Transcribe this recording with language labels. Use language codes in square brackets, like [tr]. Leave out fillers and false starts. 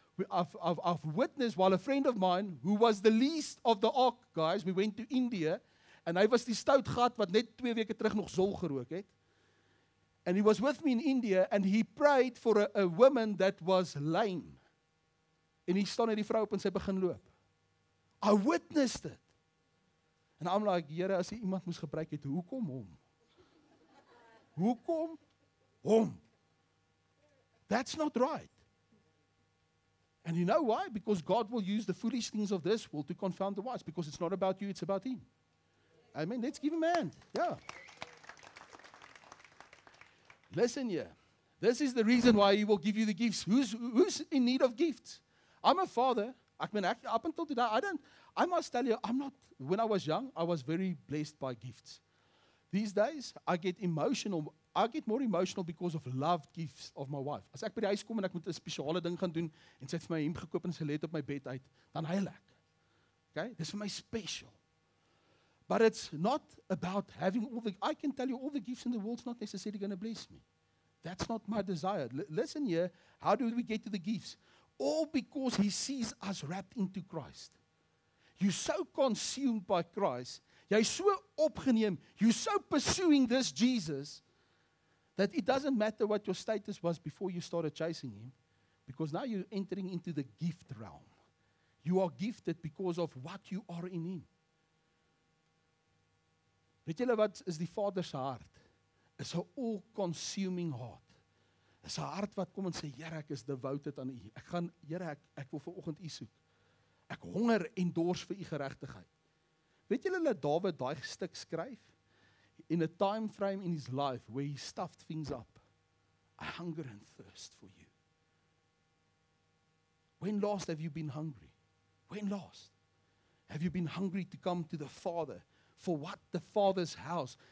[en] I've witnessed while a friend of mine, who was the least of the ark, guys, we went to India, and [af] hy was die stout gat wat net 2 weke terug nog zol gerook het. [en] And he was with me in India, and he prayed for a woman that was lame. And he stand at [af] die vrou op en sy begin loop. [en] I witnessed it. And I'm like, [af] Here, as hy iemand moes gebruik het, hoekom hom? Hoekom hom? [en] That's not right. And you know why? Because God will use the foolish things of this world to confound the wise. Because it's not about you, it's about him. Amen. Let's give him a hand. Yeah. Listen here. This is the reason why he will give you the gifts. Who's in need of gifts? I'm a father. I mean, actually, up until today, I must tell you, I'm not, when I was young, I was very blessed by gifts. These days, I get emotional. I get more emotional because of loved gifts of my wife. [af] As ek by die huis kom en ek moet 'n spesiale ding gaan doen, en sy het vir my 'n hemp gekoop en sy lê dit op my bed uit, dan huil ek. Okay? Dis vir my special. [en] But it's not about having all the, I can tell you all the gifts in the world's not necessarily going to bless me. That's not my desire. Listen here, how do we get to the gifts? All because he sees us wrapped into Christ. You're so consumed by Christ, [af] jy so opgeneem, [en] you're so pursuing this Jesus, that it doesn't matter what your status was before you started chasing him, because now you're entering into the gift realm. You are gifted because of what you are in him. [af] Weet julle wat is die Vader se hart? Is 'n [en] all-consuming heart. [af] Is 'n hart wat kom en sê, Here, ek is devoted aan U. Ek gaan, Here, ek wil vanoggend U soek. Ek honger en dors vir U geregtigheid. Weet julle dat Dawid daai stuk skryf [en] in a time frame in his life where he stuffed things up. I hunger and thirst for you. When last have you been hungry? When last have you been hungry to come to the Father for what the Father's house?